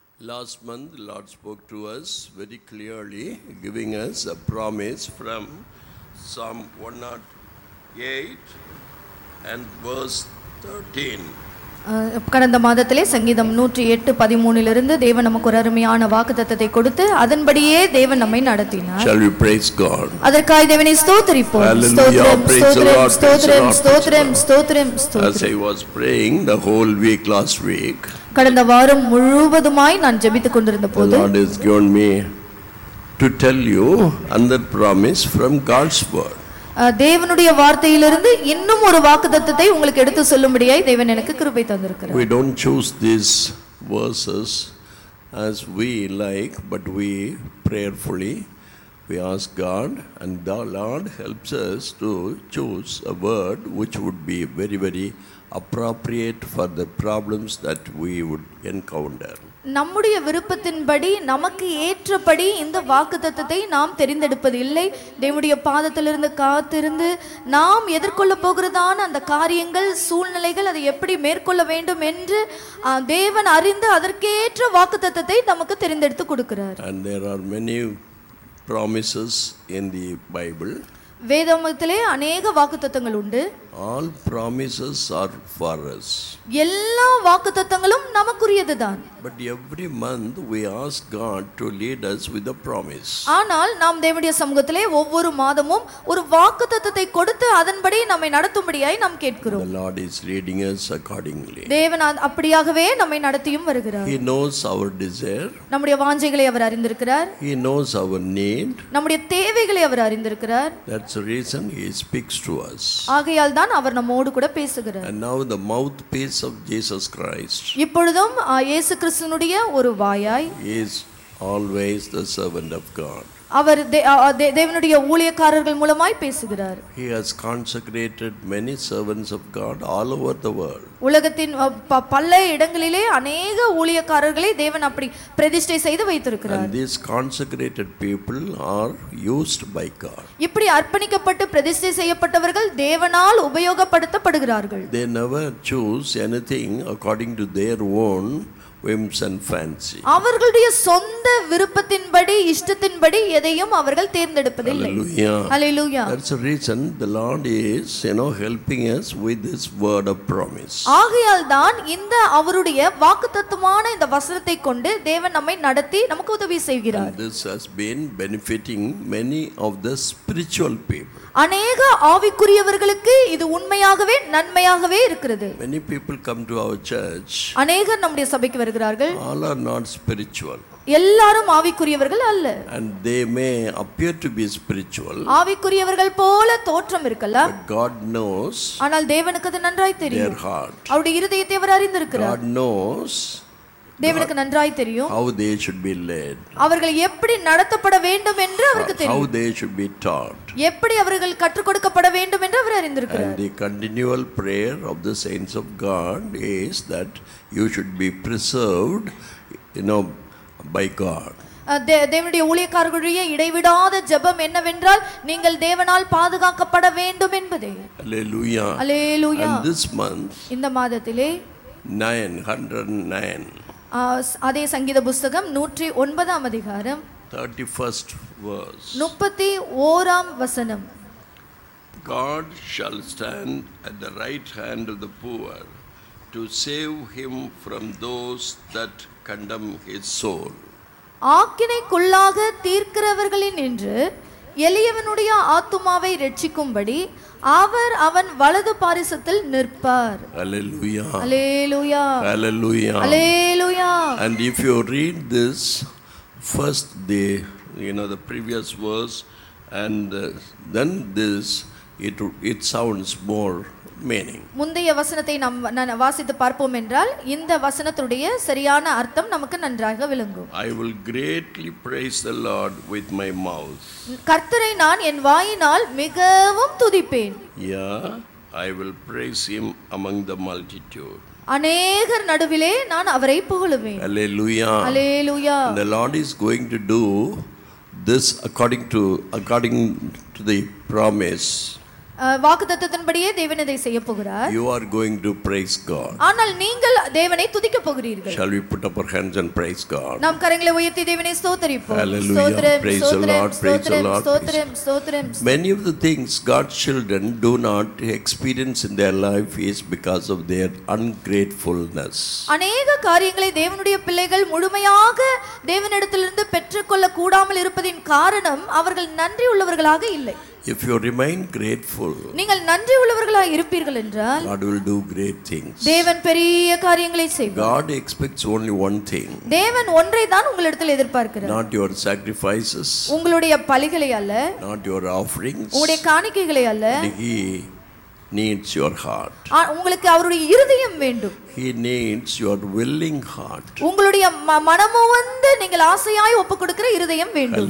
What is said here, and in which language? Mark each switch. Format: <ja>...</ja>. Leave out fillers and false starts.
<en>Last month, Lord spoke to us very clearly, giving us a promise from Psalm 108 and verse 13.</en> <ta>கடந்த மாதத்திலே சங்கீதம் 108:13 தேவன் நமக்கு ஒரு அருமையான வாக்குத்தத்தத்தை கொடுத்து அதன்படியே தேவன் நம்மை நடத்தினார்.</ta> <en>Shall we praise God?</en> <ta>அதற்காய் தேவனை ஸ்தோத்தரிப்போம்.</ta> <en>Hallelujah, praise the Lord.</en> <ta>ஸ்தோத்ரம் ஸ்தோத்ரம் ஸ்தோத்ரம் ஸ்தோத்ரம்.</ta> <en>As I was praying the whole week last week.</en> <ta>கடந்த வாரம் முழுவதுமாய் நான் ஜெபித்துக் கொண்டிருந்த போது</ta> <en>God has given me to tell you another promise from God's word.</en> <ta>தேவனுடைய வார்த்தையிலிருந்து இன்னும் ஒரு வாக்குத்தத்தத்தை உங்களுக்கு எடுத்து சொல்லும்படியாய் தேவன் எனக்கு கிருபை தந்திருக்கிறார்.</ta> <en>We don't choose these verses as we like, but we prayerfully we ask God, and the Lord helps us to choose a word which would be very very appropriate for the problems that we would encounter.</en> <ta>நம்முடைய விருப்பத்தின்படி நமக்கு ஏற்றபடி இந்த வாக்குத்தத்தத்தை நாம் தெரிந்தெடுப்பது இல்லை. தேவனுடைய பாதத்திலிருந்து காத்திருந்து நாம் எதிர்கொள்ள போகிறதான அந்த காரியங்கள், சூழ்நிலைகள், அதை எப்படி மேற்கொள்ள வேண்டும் என்று தேவன் அறிந்து அதற்கேற்ற வாக்குத்தத்தத்தை நமக்கு தெரிந்தெடுத்து கொடுக்கிறார்.</ta> <en>And there are many promises in the Bible.</en> <ta>வேதமத்திலே அநேக வாக்குத்தத்தங்கள் உண்டு.</ta> <en>All promises are for us.</en> <ta>எல்லா வாக்குத்தத்தங்களும் நமக்குரியதுதான்.</ta> <en>But every month we ask God to lead us with a promise.</en> <ta>ஆனால் நாம் தேவனுடைய சமூகத்திலே ஒவ்வொரு மாதமும் ஒரு வாக்குத்தத்தத்தை கொடுத்து அதன்படி நம்மை நடத்தும்படியாய் நாம் கேட்கிறோம்.</ta> <en>The Lord is leading us accordingly.</en> <ta>தேவன் அப்படியாகவே நம்மை நடத்தியும் வருகிறார்.</ta> <en>He knows our desire.</en> <ta>நம்முடைய வாஞ்சைகளை அவர் அறிந்திருக்கிறார்.</ta> <en>He knows our need.</en> <ta>நம்முடைய தேவைகளை அவர் அறிந்திருக்கிறார்.</ta> <en>That's the reason He speaks to us.</en> <ta>ஆகையால் தான் அவர் நம்மோடு கூட பேசுகிறார்.</ta> <en>And now the mouthpiece of Jesus Christ.</en> <ta>இப்பொழுதும் இயேசு கிறிஸ்துவினுடைய ஒரு வாயாய்</ta> <en>He is always the servant of God.</en> <ta>அவர் தேவனுடைய ஊழியக்காரர்கள் மூலமாய் பேசுகிறார்.</ta> <en>He has consecrated many servants of God all over the world.</en> <ta>உலகத்தின் பல இடங்களிலே அநேக ஊழியக்காரர்களை தேவன் அப்படி பிரதிஷ்டை செய்து வைத்திருக்கிறார்.</ta> <en>And these consecrated people are used by God.</en> <ta>இப்படி அர்ப்பணிக்கப்பட்டு பிரதிஷ்டை செய்யப்பட்டவர்கள் தேவனால் உபயோகப்படுத்தப்படுகிறார்கள்.</ta> <en>They never choose anything according to their own whims and fancy.</en> <ta>அவர்களுடைய சொந்த விருப்பத்தின்படி இஷ்டத்தின்படி எதையும் அவர்கள் தேர்ந்தெடுப்பதில்லை.</ta> <en>Hallelujah. Hallelujah. That's the reason the Lord is, you know, helping us with this word of promise.</en> <ta>ஆகையால் தான் இந்த அவருடைய வாக்குத்தத்துவமான இந்த வசனத்தை கொண்டு தேவன் நம்மை நடத்தி நமக்கு உதவி செய்கிறார்.</ta> <en>This has been benefiting many of the spiritual people.</en> <ta>அநேக ஆவிக்குரியவர்களுக்கு இது உண்மையாகவே நன்மையாகவே இருக்கிறது.</ta> <en>Many people come to our church.</en> <ta>அநேக நம்முடைய சபைக்கு வருகிறார்கள்.</ta> <en>All are not spiritual.</en> <ta>எல்லாரும் ஆவிக்குரியவர்கள் அல்ல.</ta> <en>And they may appear to be spiritual.</en> <ta>ஆவிக்குரியவர்கள் போல தோற்றம் இருக்கலாம்.</ta> <en>But God knows.</en> <ta>ஆனால் தேவனுக்கு அது நன்றாய் தெரியும்.</ta> <en>Their heart.</en> <ta>அவருடைய இருதயத்தை அவர் அறிந்திருக்கிறார்.</ta> <en>God knows.</en> <ta>தேவனுக்கு நன்றாய் தெரியும்.</ta> <en>How they should be led.</en> <ta>அவர்கள் எப்படி நடத்தப்பட வேண்டும் என்று அவருக்கு தெரியும்.</ta> <en>How they should be taught.</en> <ta>எப்படி அவர்கள் கற்றுக் கொடுக்கப்பட வேண்டும் என்று அவர் அறிந்திருக்கிறார்.</ta> <en>And the continual prayer of the saints of God is that you should be preserved, you know, by God.</en> <ta>தேவனுடைய ஊழியக்காரர்களுடைய இடைவிடாத ஜெபம் என்னவென்றால் நீங்கள் தேவனால் பாதுகாக்கப்பட வேண்டும் என்பதே.</ta> <en>Hallelujah. Hallelujah. And this month,</en> <ta>இந்த மாதத்திலே</ta> <en>909</en> <ta>அதே சங்கீத புஸ்தகம் 109 அதிகாரம்</ta> <en>31st verse</en> <ta>31 வசனம்.</ta> <en>God shall stand at the right hand of the poor to save him from those that condemn his soul.</en> <ta>ஆக்கினைக்குள்ளாக தீர்க்கிறவர்களின் நின்று எளியவனுடைய ஆத்துமாவை ரட்சிக்கும்படி அவர் அவன் வலது பாரிசத்தில் நிற்பார்.</ta> <en>Hallelujah. Hallelujah. Hallelujah. Hallelujah. And if you read this first day, you know, the previous verse and then this, it sounds more meaning.</en> <ta>முந்தைய வசனத்தை நாம் வாசித்து பார்ப்போம் என்றால் இந்த வசனத்துடைய சரியான அர்த்தம் நமக்கு நன்றாக விளங்கும்.</ta> <en>I will greatly praise the Lord with my mouth.</en> <ta>கர்த்தரை நான் என் வாயினால் மிகவும் துதிப்பேன்.</ta> <en>Yeah, I will praise him among the multitude.</en> <ta>அநேகர் நடுவிலே நான் அவரை புகழுவேன்.</ta> <en>Hallelujah. Hallelujah. The Lord is going to do this according to the promise.</en> <ta>வாக்குத்தத்தின்படியே தேவன் இதை செய்ய போகிறார்.</ta> <en>You are going to praise God.</en> <ta>ஆனால் நீங்கள் தேவனை துதிக்க போகிறீர்கள்.</ta> <en>Shall we put up our hands and praise God?</en> <ta>நாம் கரங்களை உயர்த்தி தேவனை ஸ்தோத்தரிப்போம்.</ta> <en>Hallelujah.</en> <ta>ஸ்தோத்திரம்,</ta> <en>praise the Lord, praise the Lord.</en> <ta>ஸ்தோத்திரம், ஸ்தோத்திரம.</ta> <en>Many of the things God's children do not experience in their life is because of their ungratefulness.</en> <ta>அநேக காரியங்களை தேவனுடைய பிள்ளைகள் முழுமையாக தேவனிடத்திலிருந்து பெற்றுக்கொள்ள கூடாமல் இருப்பதின் காரணம் அவர்கள் நன்றி உள்ளவர்களாக இல்லை.</ta> <en>If you remain grateful,</en> <ta>நீங்கள் நன்றி உள்ளவர்களாக இருப்பீர்கள் என்றால்</ta> <en>God will do great things.</en> <ta>தேவன் பெரிய காரியங்களை செய்வார்.</ta> <en>God expects only one thing.</en> <ta>தேவன் ஒன்றை தான் உங்களிடத்தில் எதிர்பார்க்கிறார்.</ta> <en>Not your sacrifices.</en> <ta>உங்களுடைய பலிகளை அல்ல.</ta> <en>Not your offerings.</en> <ta>உங்களுடைய காணிக்கைகளை அல்ல.</ta> <en>He needs your heart.</en> <ta>உங்களுக்கு அவருடைய இருதயம் வேண்டும்.</ta> <en>He needs your willing heart.</en> <ta>உங்களுடைய மனமுவந்து நீங்கள் ஆசையாய் ஒப்புக் கொடுக்கிற இருதயம் வேண்டும்.</ta>